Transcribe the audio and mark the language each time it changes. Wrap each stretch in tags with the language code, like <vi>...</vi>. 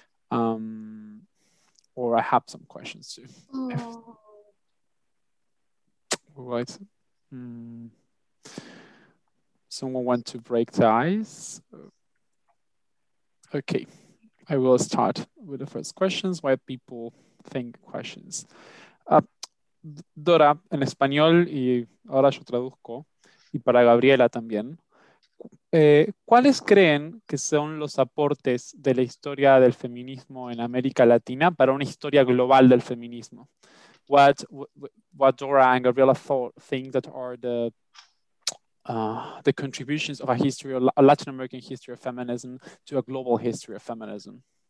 <en>Or I have some questions too. Right. Someone want to break the ice? Okay, I will start with the first questions while people think questions.</en> <es>Dora, en español, y ahora yo traduzco, y para Gabriela también. ¿Cuáles creen que son los aportes de la historia del feminismo en América Latina para una historia global del feminismo?</es> <en>What Dora and Gabriela think that are the contributions of a history of a Latin American history of feminism to a global history of feminism?</en>